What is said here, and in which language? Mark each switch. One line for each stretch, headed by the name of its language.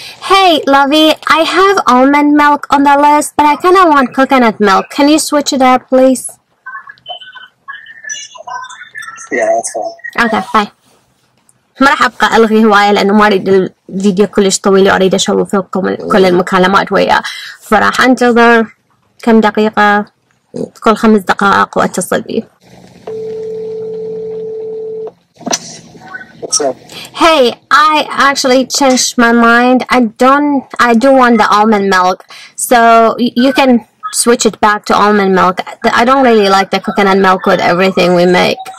English: Hey, lovey, I have almond milk on the list, but I kind of want coconut milk. Can you switch it up, please? Yeah, that's fine. Okay, bye.
Arabic: ما راح أبقى ألغي هواية لأنه ما أريد الفيديو كلش طويل، وأريد أشوف لكم كل المكالمات وياه. فراح أنتظر كم دقيقة، كل خمس دقائق وأتصل بيه.
English: Hey, I actually changed my mind. I do want the almond milk. So you can switch it back to almond milk. I don't really like the coconut milk with everything we make.